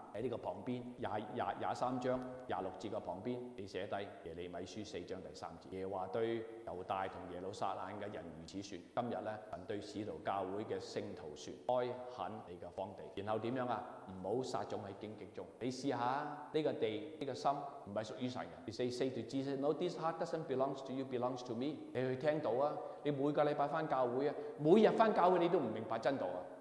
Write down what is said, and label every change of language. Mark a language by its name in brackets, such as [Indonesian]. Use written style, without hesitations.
[Chinese] 在这个旁边23章26节的旁边你写下耶利米书4章3节，耶华对犹大和耶路撒冷的人如此说，今日呢神对使徒教会的圣徒说，开垦你的荒地，然后怎样啊？不要撒种在荆棘中，你试下这个地，这个心不是属于神的。 [English] You say, say to Jesus, no, this heart doesn't belong to you, belongs to me。 [Chinese] 你去听到啊，你每个礼拜回教会啊，每日回教会你都不明白真道啊。